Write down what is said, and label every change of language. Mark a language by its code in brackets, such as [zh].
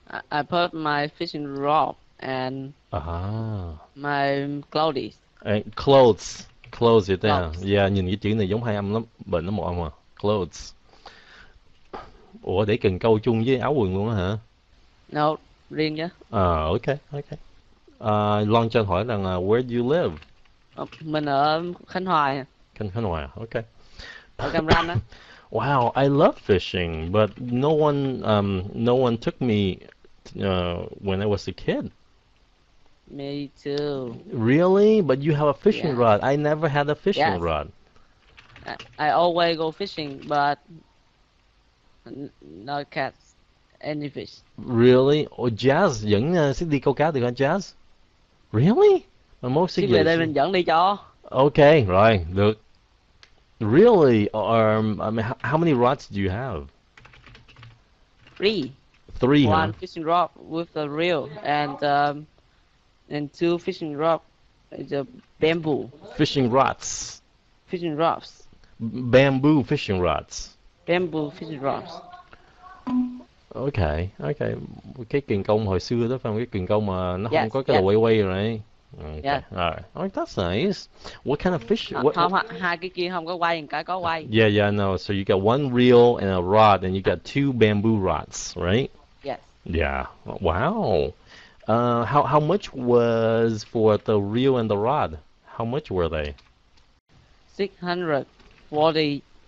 [en] I put my fishing rod and my clothes. And clothes. Clothes it down. Clothes. [vi] Yeah, nhìn cái chữ này giống hai âm lắm. Bệnh nó một âm à. Clothes. Ủa, để cần câu chung với áo quần luôn á hả? No, riêng chứ. À, ok, ok. Long Trân hỏi rằng, [en] where do you live? [vi] Mình ở Khánh Hòa. Khánh Hòa, ok. Ở Cam Ranh á. [en] Wow, I love fishing, but no one took me when I was a kid. Me too. Really? But you have a fishing rod. I never had a fishing rod. I always go fishing, but no catch any fish. Really? [vi] Oh, Jazz vẫn thích đi câu cá được hả, Jazz? [en] Really? [vi] Mà mốt xin về đây mình dẫn đi cho. Okay, rồi, được. [en] Really? I mean, how many rods do you have? Three. Three, one fishing rod with a reel and two fishing rods, a bamboo. Fishing rods. Fishing rods. Bamboo fishing rods. Bamboo fishing rods. Okay, okay. [vi] Cái kiền câu hồi xưa đó, phải không? Cái kiền câu mà nó không có cái quay quay rồi. [en] Okay. Yeah. All right. Oh, that's nice. What kind of fish? [vi] Hai cái kia không có quay, cái có quay. [en] Yeah, yeah, no. So you got one reel and a rod, and you got two bamboo rods, right? Yes. Yeah. Wow. How much was for the reel and the rod? How much were they? 640.